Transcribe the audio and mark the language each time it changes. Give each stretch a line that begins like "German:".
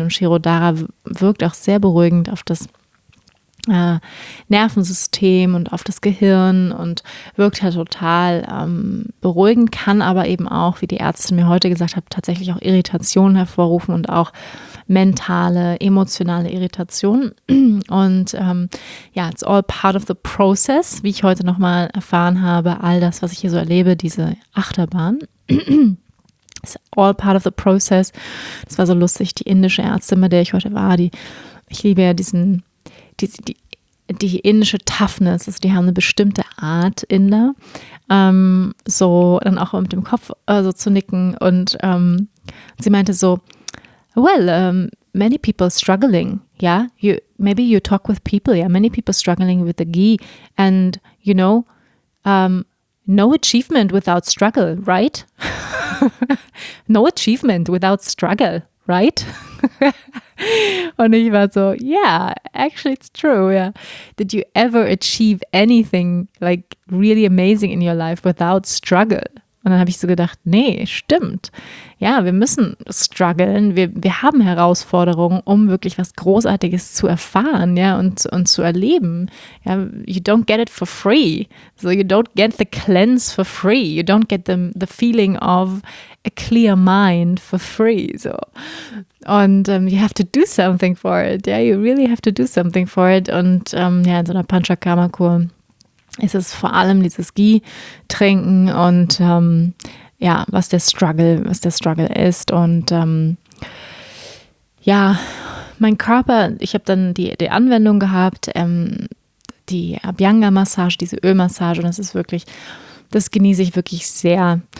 German: Und Shirodhara wirkt auch sehr beruhigend auf das Nervensystem und auf das Gehirn und wirkt halt total beruhigend, kann aber eben auch, wie die Ärzte mir heute gesagt haben, tatsächlich auch Irritationen hervorrufen und auch mentale, emotionale Irritationen. Und
English: it's all part of the process,
German: wie ich heute nochmal erfahren habe, all das, was ich hier so erlebe, diese Achterbahn.
English: It's all part of the process.
German: Das war so lustig, die indische Ärztin, bei der ich heute war, ich liebe ja die indische Toughness, also die haben eine bestimmte Art Inder, so dann auch mit dem Kopf so zu nicken und sie meinte so,
English: well, many people struggling, yeah, maybe you talk with people, yeah, many people struggling with the ghee and, you know, no achievement without struggle, right? No achievement without struggle, right?
German: Und ich war so,
English: yeah, actually it's true, yeah. Did you ever achieve anything like really amazing in your life without struggle?
German: Und dann habe ich so gedacht, nee, stimmt. Ja, wir müssen strugglen. Wir haben Herausforderungen, um wirklich was Großartiges zu erfahren, ja, und zu erleben.
English: Ja, you don't get it for free. So you don't get the cleanse for free. You don't get the feeling of a clear mind for free. So. Und you have to do something for it. Yeah, you really have to do something for it.
German: Und in so einer Panchakarma-Kur ist es vor allem dieses Ghee-Trinken und was der Struggle ist. Und ja, mein Körper, ich habe dann die Anwendung gehabt, die Abhyanga-Massage, diese Ölmassage, und das ist wirklich, das genieße ich wirklich sehr.